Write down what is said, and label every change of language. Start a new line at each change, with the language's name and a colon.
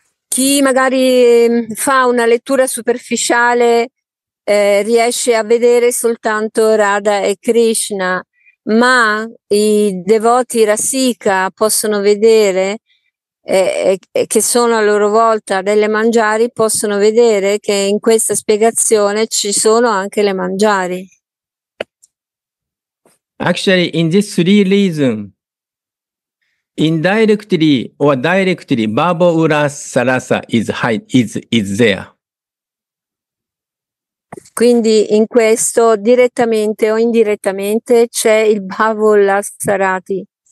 Italian: Chi magari fa una lettura superficiale riesce a vedere soltanto Radha e Krishna, ma i devoti Rasika possono vedere, che sono a loro volta delle Manjari, possono vedere che in questa spiegazione ci sono anche le Manjari.
English: Actually, in these three reasons, indirectly or directly, Babo Uras Sarasa is there.
Italian: Quindi in questo, direttamente o indirettamente, c'è il Babo Uras Sarati.